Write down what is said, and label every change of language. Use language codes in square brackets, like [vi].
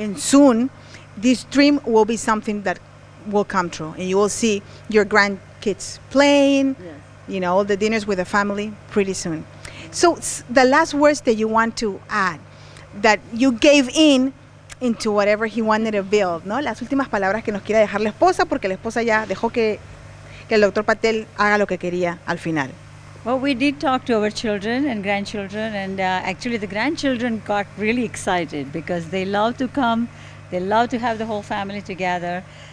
[en] And soon, this dream will be something that will come true, and you will see your grandkids playing, yes, you know, all the dinners with the family pretty soon. So the last words that you want to add, that you gave in into whatever he wanted to build, no? [es] Las últimas palabras que nos quiera dejar la esposa, porque la esposa ya dejó que el doctor Patel haga lo que quería al final. [en] Well, we did talk to our children and grandchildren, and actually the grandchildren got really excited because they love to come, they love to have the whole family together.